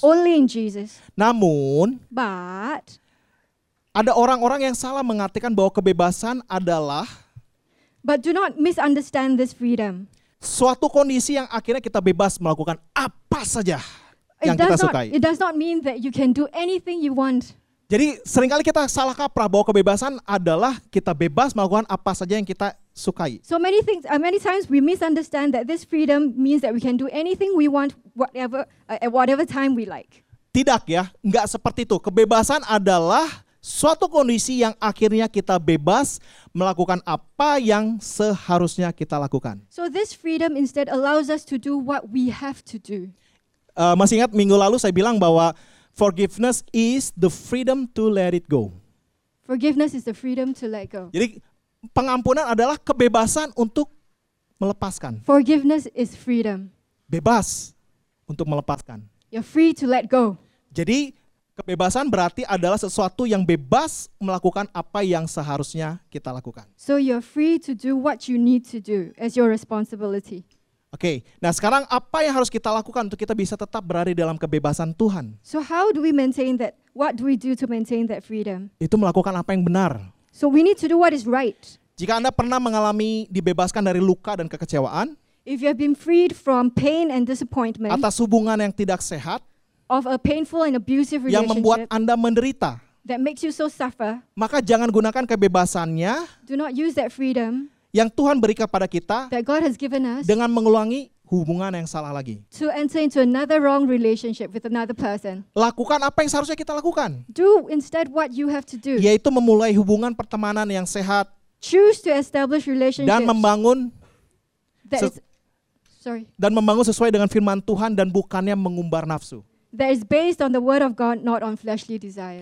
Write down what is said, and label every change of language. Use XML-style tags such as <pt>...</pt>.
<en>Only in Jesus.</en> <id>Namun.</id> <en>But.</en> <id>Ada orang-orang yang salah mengartikan bahwa kebebasan adalah.</id> <en>But do not misunderstand this freedom.</en> <id>Suatu kondisi yang akhirnya kita bebas melakukan apa saja yang kita sukai.</id> <en>It does not mean that you can do anything you want.</en> <id>Jadi seringkali kita salah kaprah bahwa kebebasan adalah kita bebas melakukan apa saja yang kita sukai.</id> <en>So many times we misunderstand that this freedom means that we can do anything we want whatever at whatever time we like.</en> <id>Tidak ya, enggak seperti itu. Kebebasan adalah suatu kondisi yang akhirnya kita bebas melakukan apa yang seharusnya kita lakukan.</id> <en>So this freedom instead allows us to do what we have to do.</en> <id>Masih ingat minggu lalu saya bilang bahwa</id> <en>forgiveness is the freedom to let it go. Forgiveness is the freedom to let go.</en> <id>Jadi pengampunan adalah kebebasan untuk melepaskan.</id> <en>Forgiveness is freedom.</en> <id>Bebas untuk melepaskan.</id> <en>You're free to let go.</en> <id>Jadi kebebasan berarti adalah sesuatu yang bebas melakukan apa yang seharusnya kita lakukan.</id> <en>So you're free to do what you need to do as your responsibility.</en> <id>Oke, nah sekarang apa yang harus kita lakukan untuk kita bisa tetap berada dalam kebebasan Tuhan?</id> <en>So how do we maintain that? What do we do to maintain that freedom?</en> <id>Itu melakukan apa yang benar.</id> <en>So we need to do what is right.</en> <id>Jika Anda pernah mengalami dibebaskan dari luka dan kekecewaan,</id> <en>if you have been freed from pain and disappointment,</en> <id>atas hubungan yang tidak sehat,</id> <en>of a painful and abusive relationship,</en> <id>yang membuat Anda menderita,</id> <en>that makes you so suffer,</en> <id>maka jangan gunakan kebebasannya,</id> <en>do not use that freedom,</en> <id>yang Tuhan berikan pada kita,</id> <en>that God has given us,</en> <id>dengan mengulangi hubungan yang salah lagi,</id> <en>to enter into another wrong relationship with another person.</en> <id>Lakukan apa yang seharusnya kita lakukan,</id> <en>do instead what you have to do,</en> <id>yaitu memulai hubungan pertemanan yang sehat,</id> <en>choose to establish relationships,</en> <id>dan membangun dan membangun sesuai dengan firman Tuhan dan bukannya mengumbar nafsu.</id> <en>That is based on the word of God, not on fleshly desires.</en>